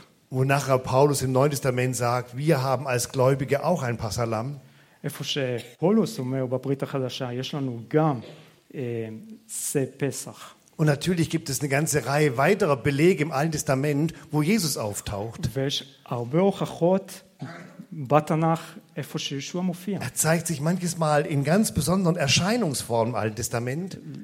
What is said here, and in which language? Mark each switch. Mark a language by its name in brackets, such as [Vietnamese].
[German] Wo nachher Paulus im Neuen Testament sagt, wir haben als Gläubige auch ein Passalamm. [Hebrew] איפה שפולוס אומר בברית החדשה, יש לנו גם זה פסח. [German] Und natürlich gibt es eine ganze Reihe weiterer Belege im Alten Testament, wo Jesus auftaucht. Er zeigt sich manches Mal in ganz besonderen Erscheinungsformen im Alten Testament.